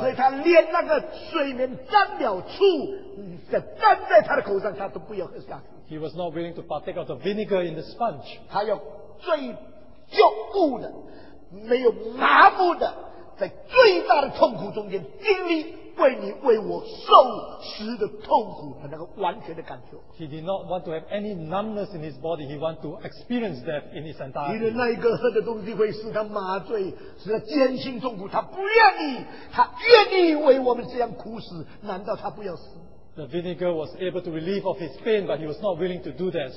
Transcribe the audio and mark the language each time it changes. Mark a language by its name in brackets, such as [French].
[Chinese] 所以他连那个水面沾了醋, 沾在他的口上, [English] he was not willing to partake of the vinegar in the sponge. [Chinese] 他要最坚固的, 没有麻木的, 在最大的痛苦中间经历, 为你为我受死的痛苦和那个完全的感受。 [English] He did not want to have any numbness in his body. He wanted to experience death in his entirety. [Chinese] 因为那一个喝的东西会使他麻醉，使他艰辛痛苦。他不愿意，他愿意为我们这样苦死。难道他不要死？ [English] The vinegar was able to relieve of his pain, but he was not willing to do that.